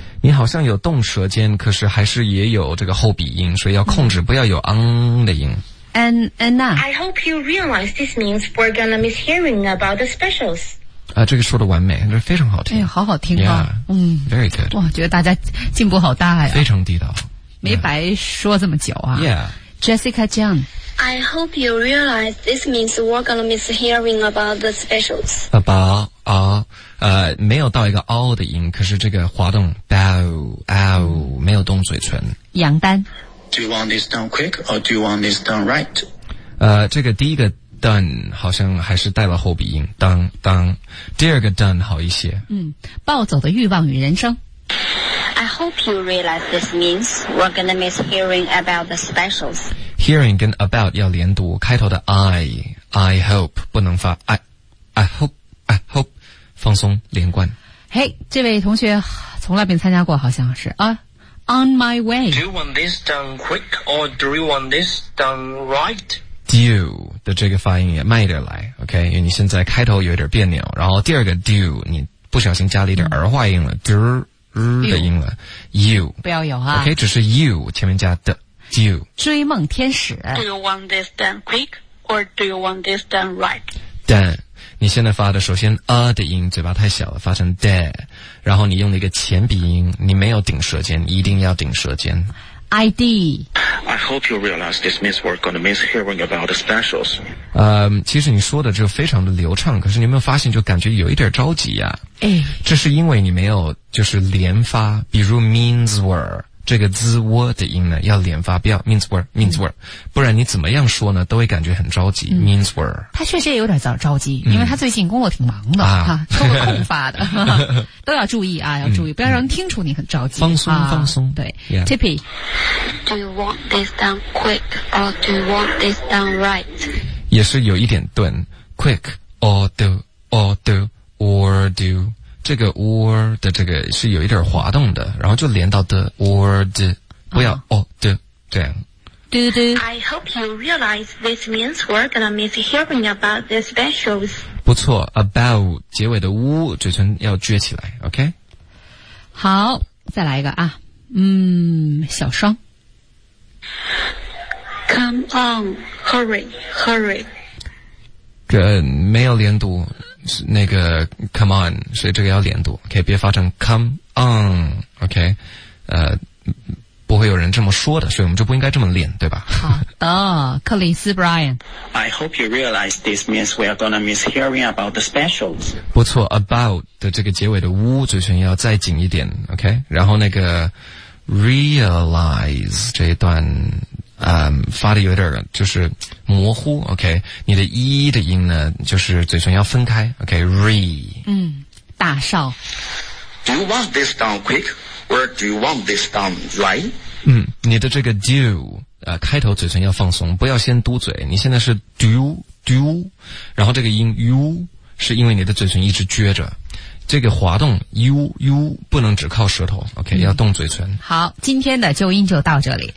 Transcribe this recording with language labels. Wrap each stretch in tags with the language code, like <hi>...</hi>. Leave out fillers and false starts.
<zh>你好像有动舌尖可是还是也有这个后鼻音所以要控制、嗯、不要有昂的音。</zh> <en>Anna, I hope you realize this means we're gonna miss hearing about the specials.</en> <zh>啊这个说的完美这非常好听。哎好好听啊。</zh> <en>Yeah, 嗯 ,very good.</en> <zh>哇觉得大家进步好大呀。非常地道。没白说这么久啊。</zh> <en>Yeah.Jessica Jiang. I hope you realize this means we're gonna miss hearing about the specials.</en> <zh>About. 没有到一个凹的音可是这个滑动 bow, ow, 没有动嘴唇。杨丹</zh> <en>Do you want this done quick or do you want this done right?</en> <zh>这个第一个 done 好像还是带了后鼻音 done 第二个 done 好一些。嗯暴走的欲望与人生。</zh> <en>I hope you realize this means we're gonna miss hearing about the specials.</en> <zh>Hearing 跟 about 要连读开头的</zh> <en>I hope,</en> <zh>不能发 I hope,放松连贯。嘿、hey, 这位同学从来没参加过好像是啊、</zh> <en>on my way. Do you want this done quick or do you want this done right?</en> <zh>Do 的这个发音也慢一点来 ,</zh> <en>OK?</en> <zh>因为你现在开头有点别扭然后第二个 do, 你不小心加了一点儿化音了 ,do、嗯、的音了 ,you. 不要有啊。 OK, 只是 you, 前面加的 do. 追梦天使。</zh> <en>Do you want this done quick or do you want this done right? Done.</en> <zh>你现在发的首先 a 的音嘴巴太小了发成 de 然后你用了一个前鼻音你没有顶舌尖一定要顶舌尖</zh> <en>ID I hope you realize this means we're going to miss hearing about the specials</en> <zh>其实你说的就非常的流畅可是你有没有发现就感觉有一点着急啊、哎、这是因为你没有就是连发比如 means were 这个 z w 的音呢要连发，不要 means word、嗯、不然你怎么样说呢都会感觉很着急、嗯、means word。他确实也有点着急，因为他最近工作挺忙的、嗯、抽个空发的都要注意啊，要注意、嗯、不要让人听出你很着急，放松、啊、放松。对、</zh> <en>yeah. Tippy, do you want this done quick or do you want this done right?</en> <zh>也是有一点顿</zh> <en>quick or do or do or do，</en> <zh>这个 or 的这个是有一点滑动的，然后就连到 the or the， 不要、啊、oh the 这样。</zh> <en>Do do. I hope you realize this means we're gonna miss hearing about the specials.</en> <zh>不错 ，about 结尾的 u 嘴唇要撅起来 ，OK。好，再来一个啊，嗯，小双。</zh> <en>Come on, hurry, hurry.</en> <zh>没有连读。那个</zh> <en>come on，</en> <zh>所以这个要连读 ，OK， 别发成 come on，OK，、</zh> <en>okay?</en> <zh>不会有人这么说的，所以我们就不应该这么练，对吧？好的，克里斯 Brian。</zh> <en>I hope you realize this means we are gonna miss hearing about the specials。</en> <zh>不错 ，about 的这个结尾的呜，嘴唇要再紧一点 ，OK。然后那个 realize 这一段。发的有点就是模糊 ,OK, 你的一的音呢就是嘴唇要分开 ,OK, re, 嗯，大少。</zh> <en>Do you want this done quick, or do you want this done right?</en> <zh>嗯，你的这个 do, 开头嘴唇要放松，不要先嘟嘴，你现在是 do, 然后这个音 u, 是因为你的嘴唇一直撅着。这个滑动 U 不能只靠舌头 ，OK，、嗯、要动嘴唇。好，今天的纠音就到这里。</zh>